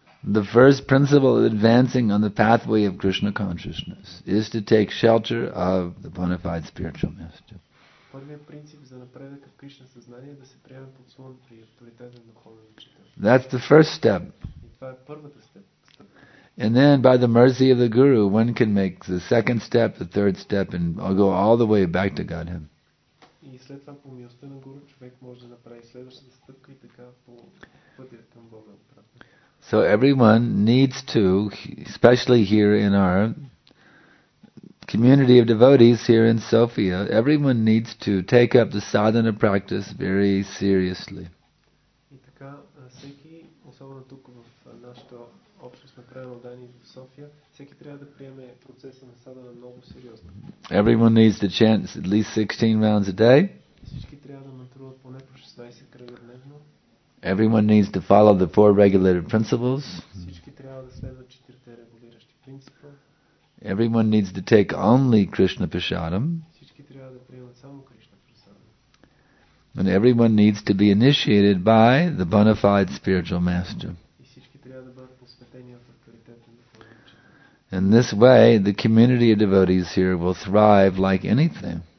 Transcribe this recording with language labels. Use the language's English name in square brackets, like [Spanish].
[English] The first principle of advancing on the pathway of Krishna consciousness is to take shelter of the bona fide spiritual master. [Bulgarian] Първият принцип за напредък в Кришна съзнание е да се приеме под слонта и авторитета на духовния учител. [English] That's the first step. [Bulgarian] И това е първата степ. [English] And then, by the mercy of the Guru, one can make the second step, the third step, and I'll go all the way back to Godhead. [Bulgarian] И след това по милостта на Гуру човек може да направи следващата стъпка и така по пътя към Бога. [English] So everyone needs to, especially here in our community of devotees here in Sofia, everyone needs to take up the sadhana practice very seriously. [Bulgarian] И така всеки, особено тук в нашата общност, направена от Дани в София, всеки трябва да приеме процеса на садана много сериозно. [English] Everyone needs to chant at least 16 rounds a day. [Bulgarian] Всички трябва да мантруват поне по 16 кръга дневно. [English] Everyone needs to follow the four regulative principles. [Bulgarian] Всички трябва да следват четирите регулиращи принципа. [English] Everyone needs to take only Krishna Prasadam. [Bulgarian] Всички трябва да приемат само Кришна Прасадам. [English] And everyone needs to be initiated by the bona fide spiritual master. [Bulgarian] И всички трябва да бъдат посветени от авторитета на духовния учител. [English] In this way, the community of devotees here will thrive like anything.